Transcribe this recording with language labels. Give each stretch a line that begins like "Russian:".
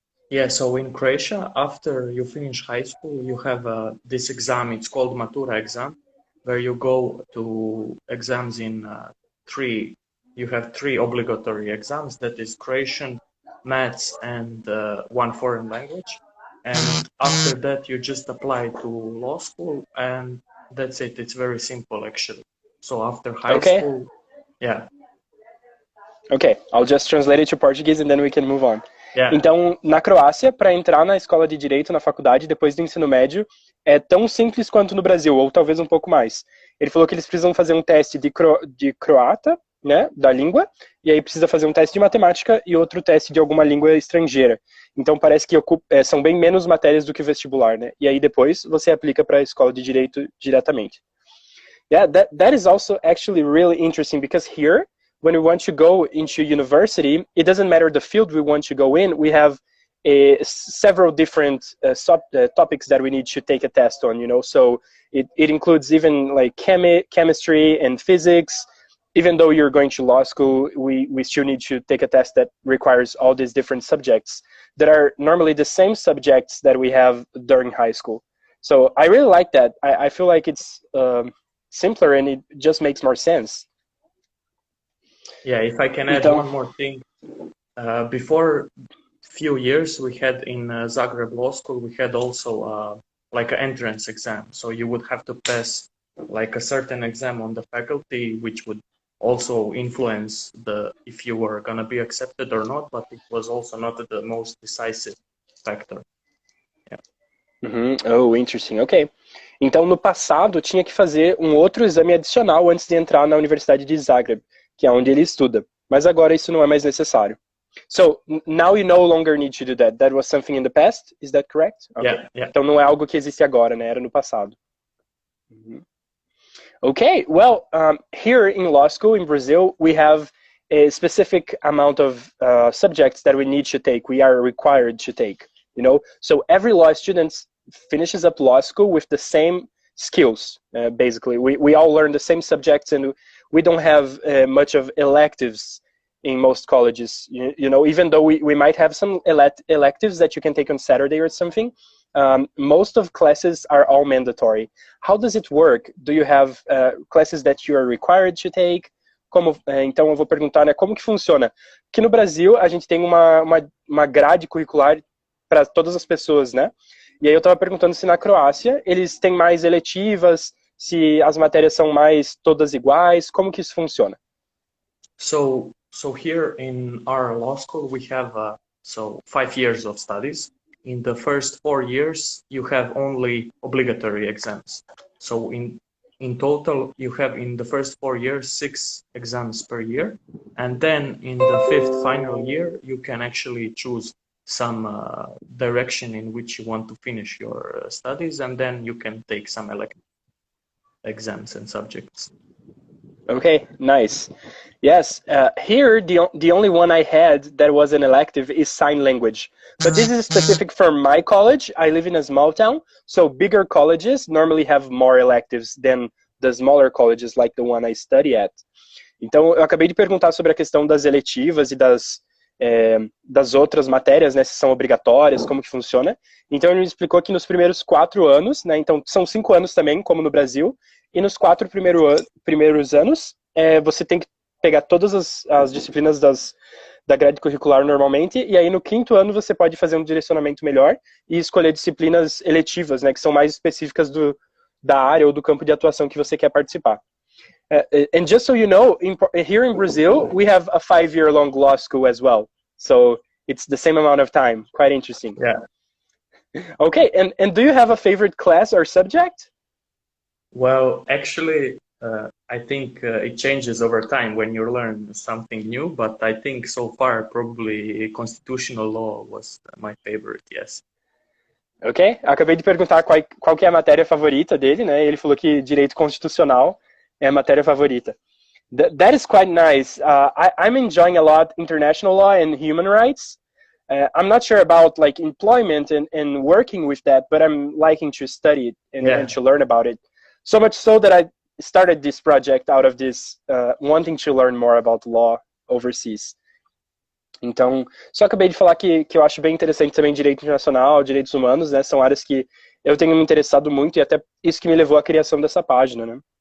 English: Yeah, so in Croatia, after you finish high school, you have this exam, it's called Matura exam, where you go to exams in three obligatory exams, that is Croatian, maths, and one foreign language. And after that, you just apply to law school, and that's it. It's very simple, actually. So after high school, yeah. Okay, I'll just translate it to Portuguese, and then we can move on. Yeah.
Portuguese: Então, na Croácia, para entrar na escola de direito, na faculdade, depois do ensino médio, é tão simples quanto no Brasil, ou talvez um pouco mais. Ele falou que eles precisam fazer um teste de croata, né, da língua, e aí precisa fazer um teste de matemática e outro teste de alguma língua estrangeira. Então, parece que são bem menos matérias do que vestibular, né? E aí, depois, você aplica para a escola de direito diretamente.
English: Yeah, that is also actually really interesting, because here, when we want to go into university, it doesn't matter the field we want to go in, we have several different topics that we need to take a test on, you know, so it includes even like chemistry and physics. Even though you're going to law school, we still need to take a test that requires all these different subjects that are normally the same subjects that we have during high school. So I really like that. I feel like it's simpler and it just makes more sense. Yeah, if I can add one more thing. Before a few years, we had in Zagreb Law School, we had also like an entrance exam. So you would have to pass like a certain exam on the faculty, which would also influence if you were going to be accepted or not. But it was also not the most decisive factor. Yeah. Mm-hmm. Oh, interesting. Okay.
Portuguese: Então, no passado, tinha que fazer um outro exame adicional antes de entrar na Universidade de Zagreb, que é onde ele estuda. Mas agora isso não é mais necessário.
English: So, now you no longer need to do that. That was something in the past, is that correct? Okay. Yeah.
Portuguese: Então não é algo que existe agora, né? Era no passado.
English: Okay, well, here in law school in Brazil, we have a specific amount of subjects that we need to take, we are required to take, you know? So, every law student finishes up law school with the same skills, basically. We all learn the same subjects and we don't have much of electives in most colleges. You know, even though we might have some electives that you can take on Saturday or something, most of classes are all mandatory. How does it work? Do you have classes that you are required to take?
Portuguese: Como, então eu vou perguntar, né, como que funciona? Aqui no Brasil, a gente tem uma grade curricular para todas as pessoas, né? E aí eu estava perguntando se na Croácia eles têm mais eletivas, se as matérias são mais todas iguais, como que isso funciona?
English: So here in our law school, we have 5 years of studies. In the first 4 years, you have only obligatory exams. So in total, you have in the first 4 years, 6 exams per year. And then in the fifth final year, you can actually choose some direction in which you want to finish your studies, and then you can take some elective exams and subjects. Okay, nice. Yes, here the only one I had that was an elective is sign language. But this is specific for my college. I live in a small town, so bigger colleges normally have more electives than the smaller colleges like the one I study at.
Portuguese: Então, eu acabei de perguntar sobre a questão das eletivas e das das outras matérias, né, se são obrigatórias, como que funciona. Então ele me explicou que nos primeiros 4 anos, né, então são 5 anos também, como no Brasil, e nos quatro primeiros anos, você tem que pegar todas as disciplinas da grade curricular normalmente, e aí no quinto ano você pode fazer um direcionamento melhor e escolher disciplinas eletivas, né, que são mais específicas da área ou do campo de atuação que você quer participar.
English: And just so you know, here in Brazil, we have a 5-year-long law school as well. So it's the same amount of time. Quite interesting. Okay, and do you have a favorite class or subject? Well, actually, I think it changes over time when you learn something new, but I think so far probably constitutional law was my favorite, yes.
Portuguese: Ok, acabei de perguntar qual que é a matéria favorita dele, né? Ele falou que direito constitucional é a matéria favorita.
English: That is quite nice. I'm enjoying a lot international law and human rights. I'm not sure about like employment and working with that, but I'm liking to study it and to learn about it. So much so that I started this project out of this wanting to learn more about law overseas.
Portuguese: Então, só acabei de falar que eu acho bem interessante também direito internacional, direitos humanos, né? São áreas que eu tenho me interessado muito e até isso que me levou à criação dessa página, né?